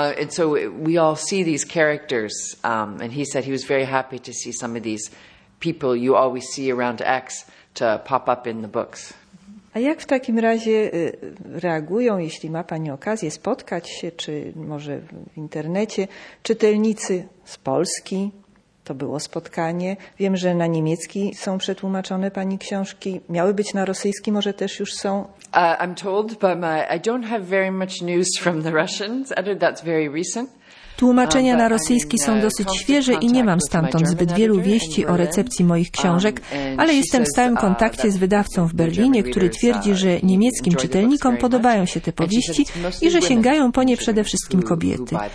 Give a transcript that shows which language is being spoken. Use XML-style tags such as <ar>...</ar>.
<en>So we all see these characters, and he said he was very happy to see some of these people you always see around Aix to pop up in the books.</en> <pl>A jak w takim razie reagują, jeśli ma pani okazję spotkać się, czy może w internecie, czytelnicy z Polski? To było spotkanie. Wiem, że na niemiecki są przetłumaczone pani książki. Miały być na rosyjski, może też już są.</pl> <en>I'm told by my, I don't have very much news from the Russians. That's very recent.</en> <pl>Tłumaczenia na rosyjski są dosyć świeże i nie mam stamtąd zbyt wielu wieści o recepcji moich książek, ale jestem w stałym kontakcie z wydawcą w Berlinie, który twierdzi, że niemieckim czytelnikom podobają się te powieści i że sięgają po nie przede wszystkim kobiety.</pl>